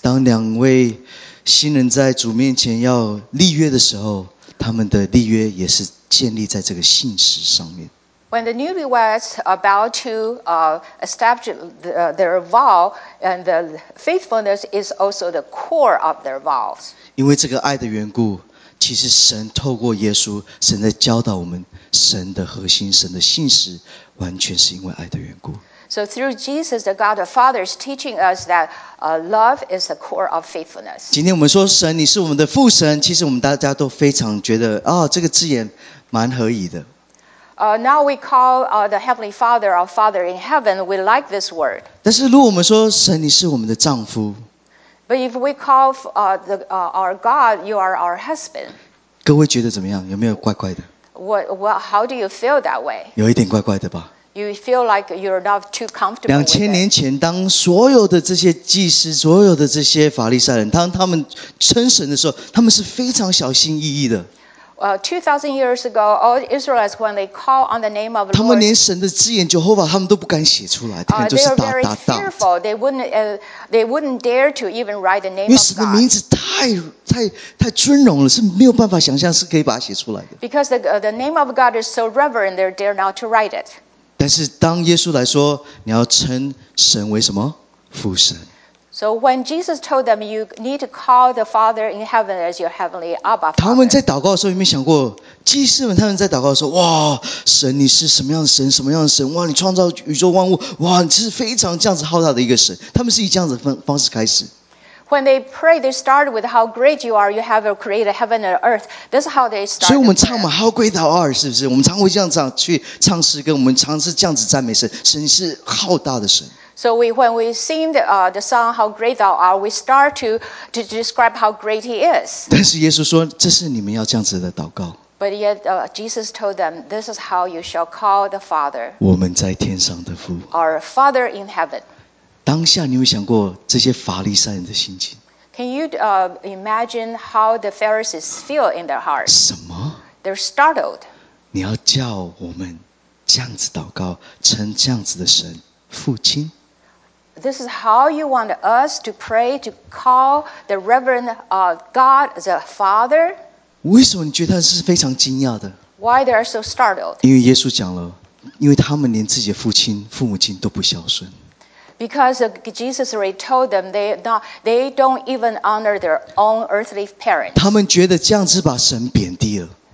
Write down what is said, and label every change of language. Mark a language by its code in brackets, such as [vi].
[zh] 当两位新人在主面前要立约的时候，他们的立约也是建立在这个信实上面。 [en] When the newlyweds about to establish their vow, and the faithfulness is also the core of their vows. [zh] 因为这个爱的缘故，其实神透过耶稣，神在教导我们，神的核心，神的信实，完全是因为爱的缘故。 [en] So through Jesus, the God the Father is teaching us that love is the core of faithfulness. [zh] 今天我们说神，你是我们的父神，其实我们大家都非常觉得啊、哦，这个字眼蛮合宜的。 [en] Now we call the Heavenly Father our Father in heaven. We like this word. [zh] 但是如果我们说神，你是我们的丈夫。 [en] But if we call our God, you are our husband. [zh] 各位觉得怎么样？有没有怪怪的 [en] ？What? How do you feel that way? [zh] 有一点怪怪的吧。 [en] You feel like you're not too comfortable. [zh] 两千年前，当所有的这些祭司、所有的这些法利赛人，当他们称神的时候，他们是非常小心翼翼的。 [en] 2,000 years ago, all Israelites, when they call on the name of the Lord, [zh] 他们连神的字眼 Jehovah 他们都不敢写出来，他们就是 [en] They are very fearful. They wouldn't dare to even write the name of God. [zh] 因为神的名字太尊荣了，是没有办法想象是可以把它写出来的。 [en] Because the name of God is so reverent, they dare not to write it. [zh] 但是当耶稣来说，你要称神为什么？父神。 [en] So when Jesus told them, you need to call the Father in heaven as your heavenly Abba Father. [zh] 他们在祷告的时候有没有想过，祭司们他们在祷告的时候，哇，神你是什么样的神，什么样的神？哇，你创造宇宙万物，哇，你是非常这样子浩大的一个神。他们是以这样子的方式开始。 [en] When they pray, they start with how great you are. You have created heaven and earth. This is how they start. [zh] 所以我们唱嘛 ， [en] How great thou art， [zh] 是不是？我们常会这样唱去唱诗歌，我们常是这样子赞美神，神是浩大的神。 [en] So when we sing the song How Great Thou Art, we start to describe how great He is. [zh] 但是耶稣说，这是你们要这样子的祷告。 [en] But yet Jesus told them, This is how you shall call the Father. [zh] 我们在天上的父。 [en] Our Father in heaven. [zh] 当下你有想过这些法利赛人的心情 [en] ？Can you imagine how the Pharisees feel in their hearts? [zh] 什么 [en] ？They're startled. [zh] 你要叫我们这样子祷告，称这样子的神父亲。 [en] This is how you want us to pray, to call the reverend God the Father. [zh] 为什么你觉得他是非常惊讶的 [en] ？Why they are so startled? [zh] 因为耶稣讲了，因为他们连自己的父亲、父母亲都不孝顺。 [en] Because Jesus already told them they don't even honor their own earthly parents. [zh] 他们觉得这样子把神贬低了。